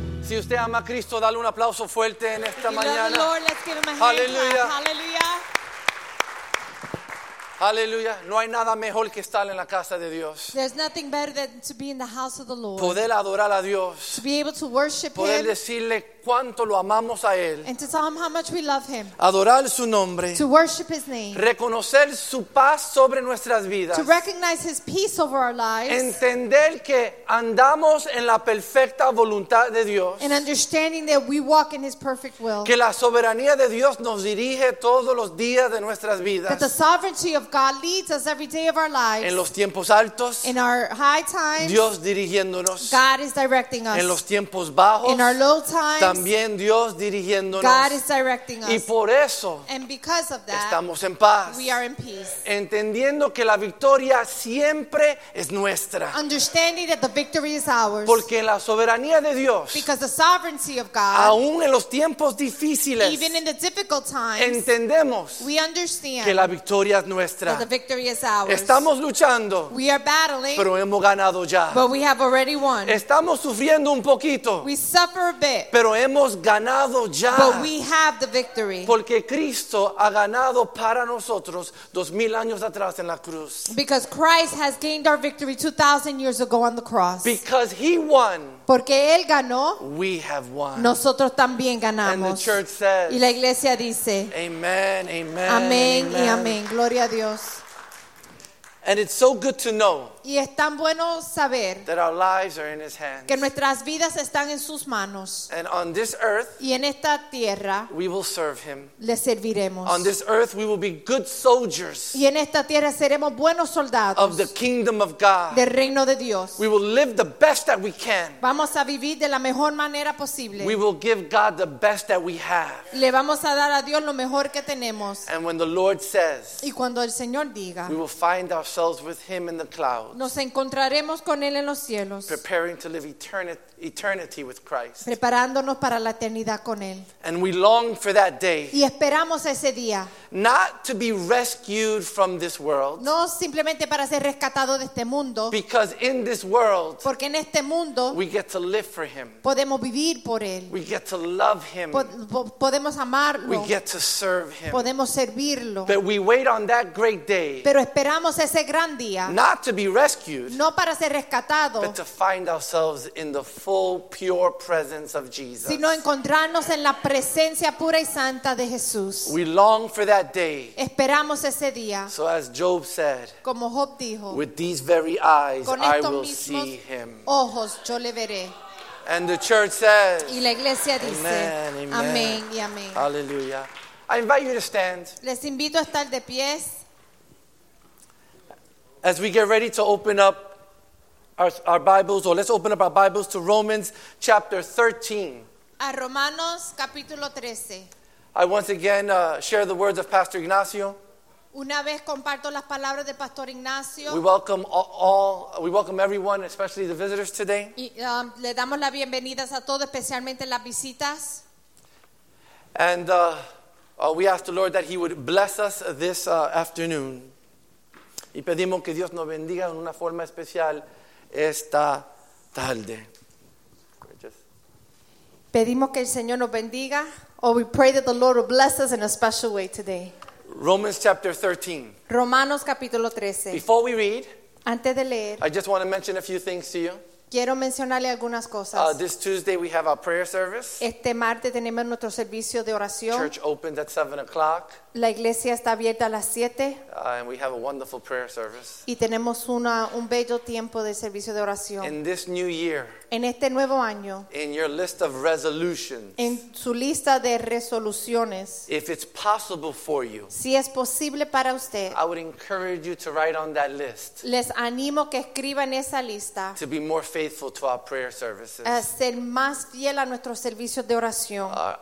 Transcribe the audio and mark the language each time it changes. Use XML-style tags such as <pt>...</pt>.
<es>usted ama a Cristo, dale un aplauso fuerte en esta mañana. Aleluya. Aleluya. No hay nada mejor que estar en la casa de Dios.</es> <en>There's nothing better than to be in the house of the Lord.</en> <es>Poder adorar a Dios.</es> <en>To be able to worship</en> <es>poder</es> <en>him.</en> <es>Poder decirle cuánto lo amamos a él.</es> <en>And to tell him how much we love him.</en> <es>Adorar su nombre.</es> <en>To worship his name.</en> <es>Reconocer su paz sobre nuestras vidas.</es> <en>To recognize his peace over our lives.</en> <es>Entender que andamos en la perfecta voluntad de Dios.</es> <en>And understanding that we walk in his perfect will.</en> <es>Que la soberanía de Dios nos dirige todos los días de nuestras vidas.</es> <en>That the sovereignty of God leads us every day of our lives.</en> <es>En los tiempos altos.</es> <en>In our high times.</en> <es>Dios dirigiéndonos.</es> <en>God is directing us.</en> <es>En los tiempos bajos.</es> <en>In our low times.</en> <es>También Dios dirigiéndonos.</es> <en>God is directing us.</en> <es>Y por eso.</es> <en>And because of that.</en> <es>Estamos en paz.</es> <en>We are in peace.</en> <es>Entendiendo que la victoria siempre es nuestra.</es> <en>Understanding that the victory is ours.</en> <es>Porque la soberanía de Dios.</es> <en>Because the sovereignty of God.</en> <es>Aún en los tiempos difíciles.</es> <en>Even in the difficult times.</en> <es>Entendemos.</es> <en>We understand.</en> <es>Que la victoria es nuestra.</es> <en>That the victory is ours.</en> <es>Estamos luchando,</es> <en>we are battling,</en> <es>pero hemos ganado ya.</es> <en>But we have already won.</en> <es>Estamos sufriendo un poquito,</es> <en>we suffer a bit,</en> <es>pero hemos ganado ya.</es> <en>But we have the victory.</en> <es>Porque Cristo ha ganado para nosotros 2,000 años atrás en la cruz.</es> <en>Because Christ has gained our victory 2,000 years ago on the cross. Because he won.</en> <es>Porque él ganó.</es> <en>We have won.</en> <es>Nosotros también ganamos.</es> <en>And the church says,</en> <es>y la iglesia dice.</es> <en>Amen, amen.</en> <es>Amén y amén. Gloria a Dios.</es> <en>And it's so good to know.</en> <es>Y es tan bueno saber.</es> <en>That our lives are in his hands.</en> <es>Que nuestras vidas están en sus manos.</es> <en>And on this earth.</en> <es>Y en esta tierra.</es> <en>We will serve him.</en> <es>Le serviremos.</es> <en>On this earth we will be good soldiers.</en> <es>Y en esta tierra seremos buenos soldados.</es> <en>Of the kingdom of God.</en> <es>Del reino de Dios.</es> <en>We will live the best that we can.</en> <es>Vamos a vivir de la mejor manera posible.</es> <en>We will give God the best that we have.</en> <es>Le vamos a dar a Dios lo mejor que tenemos.</es> <en>And when the Lord says.</en> <es>Y cuando el Señor diga.</es> <en>We will find ourselves with him in the clouds.</en> <es>Nos encontraremos con él en los cielos.</es> <en>Preparing to live eternity with Christ.</en> <es>Preparándonos para la eternidad con él.</es> <en>And we long for that day.</en> <es>Y esperamos ese día.</es> <en>Not to be rescued from this world.</en> <es>No simplemente para ser rescatado de este mundo.</es> <en>Because in this world.</en> <es>Porque en este mundo.</es> <en>We get to live for him.</en> <es>Podemos vivir por él.</es> <en>We get to love him.</en> <es>Podemos amarlo.</es> <en>We get to serve him.</en> <es>Podemos servirlo.</es> <en>But we wait on that great day.</en> <es>Pero esperamos ese gran día.</es> <en>Not to be rescued.</en> <es>No para ser rescatado.</es> <en>But to find ourselves in the full pure presence of Jesus.</en> <es>Sino encontrarnos en la presencia pura y santa de Jesús.</es> <en>We long for that day.</en> <es>Esperamos ese día.</es> <en>So as Job said.</en> <es>Como Job dijo.</es> <en>With these very eyes I will see him.</en> <es>Ojos yo le veré.</es> <en>And the church says.</en> <es>Y la iglesia dice.</es> <en>Amen, amen.</en> <es>Amén y amén.</es> <en>Hallelujah. I invite you to stand.</en> <es>Les invito a estar de pies.</es> <en>As we get ready to open up our Bibles, or let's open up our Bibles to Romans chapter 13.</en> <es>A Romanos capítulo 13.</es> <en>I once again share the words of Pastor Ignacio.</en> <es>Una vez comparto las palabras de Pastor Ignacio.</es> <en>We welcome all. We welcome everyone, especially the visitors today.</en> <es>Y, le damos las bienvenidas a todos, especialmente las visitas.</es> <en>And we ask the Lord that He would bless us this afternoon.</en> <es>Y pedimos que Dios nos bendiga en una forma especial. Esta tarde. Pedimos que el Señor nos bendiga.</es> <en>Or we pray that the Lord will bless us in a special way today. Romans chapter 13.</en> <es>Romanos capítulo 13.</es> <en>Before we read.</en> <es>Antes de leer.</es> <en>I just want to mention a few things to you.</en> <es>Quiero mencionarle algunas cosas.</es> <en>This Tuesday we have our prayer service.</en> <es>Este martes tenemos nuestro servicio de oración.</es> <en>Church opens at 7 o'clock.</en> <es>La iglesia está abierta a las 7.</es> <en>And we have a wonderful prayer service.</en> <es>Y tenemos un bello tiempo de servicio de oración.</es> <en>In this new year.</en> <es>En este nuevo año.</es> <en>In your list of resolutions.</en> <es>En su lista de resoluciones.</es> <en>If it's possible for you.</en> <es>Si es posible para usted.</es> <en>I would encourage you to write on that list.</en> <es>Les animo que escriban esa lista.</es> <en>To be more faithful to our prayer services.</en> <es>A ser más fiel a nuestros servicios de oración.</es>